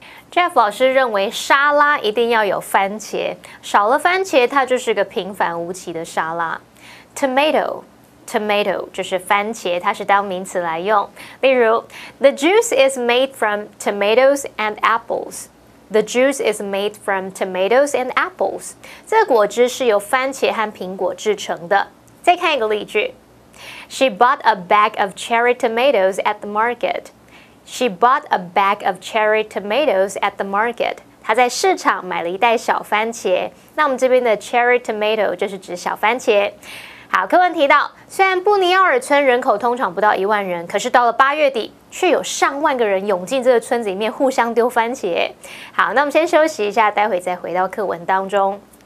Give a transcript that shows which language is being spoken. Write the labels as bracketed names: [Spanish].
[Chinese] Jeff 老师认为沙拉一定要有番茄，少了番茄它就是个平凡无奇的沙拉。 Tomato, tomato 就是番茄，它是当名词来用。例如 [English] ，The juice is made from tomatoes and apples. The juice is made from tomatoes and apples. [Chinese] 这个果汁是由番茄和苹果制成的。再看一个例句 [English] ，She bought a bag of cherry tomatoes at the market. She bought a bag of cherry tomatoes at the market. [Chinese] 她在市场买了一袋小番茄。那我们这边的 cherry tomato 就是指小番茄。好，课文提到，虽然布尼奥尔村人口通常不到一万人，可是到了八月底，却有上万个人涌进这个村子里面互相丢番茄。好，那我们先休息一下，待会再回到课文当中。